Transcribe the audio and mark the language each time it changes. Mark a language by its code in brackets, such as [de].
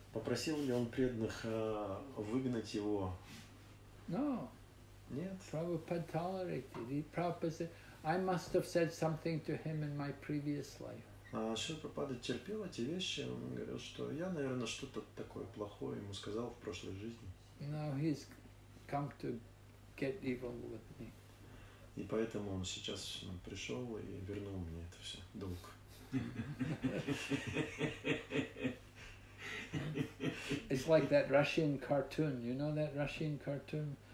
[ru] Попросил ли он преданных выгнать его? [en] No. [ru] Нет. [en] Prabhupada tolerated. Prabhupada said, I must have said something to him in my previous life. [ru] Шрила Прабхупада терпел эти вещи, он говорил, что я, наверное, что-то такое плохое ему сказал в прошлой жизни. [en] Now he's come to get evil with me. [ru] И поэтому он сейчас пришел и вернул мне это все, долг. [en] It's like that Russian cartoon, you know that Russian cartoon?